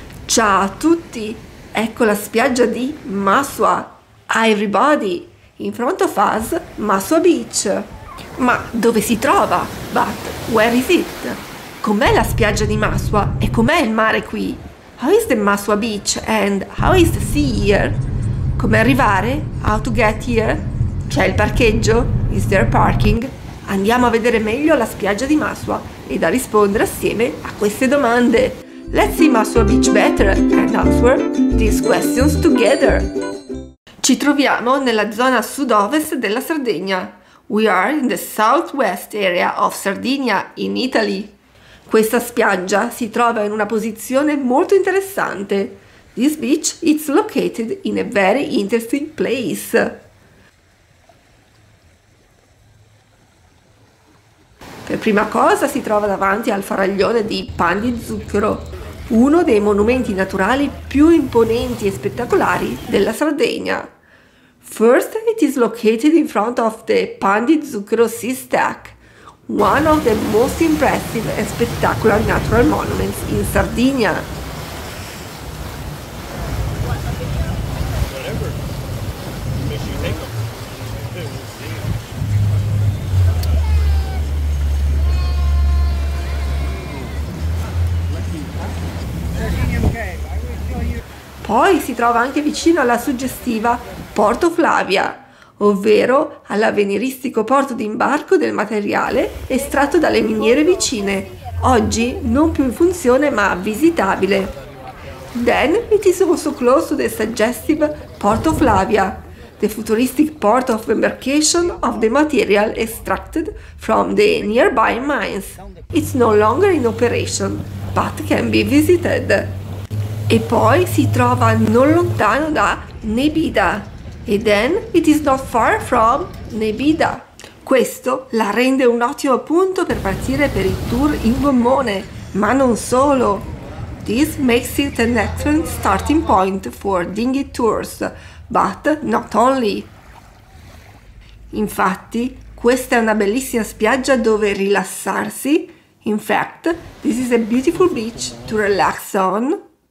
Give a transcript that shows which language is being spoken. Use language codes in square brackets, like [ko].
[it] Ciao a tutti, ecco la spiaggia di Masua. [en] Hi everybody, in front of us Masua Beach. [it] Ma dove si trova? [en] But where is it? [it] Com'è la spiaggia di Masua e com'è il mare qui? [en] How is the Masua Beach and how is the sea here? [it] Come arrivare? [en] How to get here? [it] C'è il parcheggio? [en] Is there parking? [it] Andiamo a vedere meglio la spiaggia di Masua ed a rispondere assieme a queste domande. [en] Let's see Masua Beach better and answer these questions together. [it] Ci troviamo nella zona sud-ovest della Sardegna. [en] We are in the southwest area of Sardinia, in Italy. [it] Questa spiaggia si trova in una posizione molto interessante. [en] This beach is located in a very interesting place. [it] Per prima cosa si trova davanti al faraglione di Pan di Zucchero, uno dei monumenti naturali più imponenti e spettacolari della Sardegna. [en] First, it is located in front of the Pan di Zucchero sea stack, one of the most impressive and spectacular natural monuments in Sardinia. [it] Poi si trova anche vicino alla suggestiva Porto Flavia, ovvero all'avveniristico porto di imbarco del materiale estratto dalle miniere vicine, oggi non più in funzione ma visitabile. [en] Then it is also close to the suggestive Porto Flavia, the futuristic port of embarkation of the material extracted from the nearby mines. It's no longer in operation, but can be visited. [it] E poi si trova non lontano da Nebida, e [en] then it is not far from Nebida. [it] Questo la rende un ottimo punto per partire per il tour in gommone, ma non solo. [en] This makes it an excellent starting point for dinghy tours, but not only. [it] Infatti, questa è una bellissima spiaggia dove rilassarsi. [en] In fact, this is a beautiful beach to relax on.